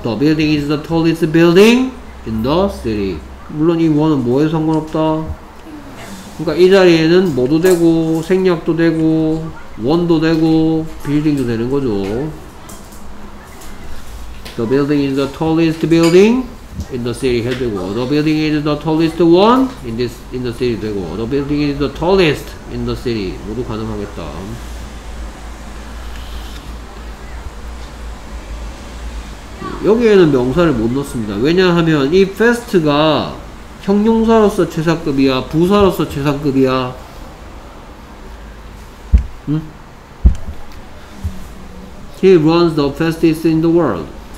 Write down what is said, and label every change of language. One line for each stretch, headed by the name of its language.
English: The building is the tallest building in the city.
Korean: 물론 이 one은 뭐에 상관없다. 그니까 이 자리에는 뭐도 되고 생략도 되고 원도 되고 빌딩도 되는 거죠.
English: The building is the tallest building in the city
Korean: 해도 되고
English: The building is the tallest one in this in the city 되고 The building is the tallest in the city
Korean: 모두 가능하겠다. 여기에는 명사를 못 넣습니다. 왜냐하면 이 fast가 형용사로서 최상급이야? 부사로서 최상급이야? 응?
English: He runs the fastest in the world.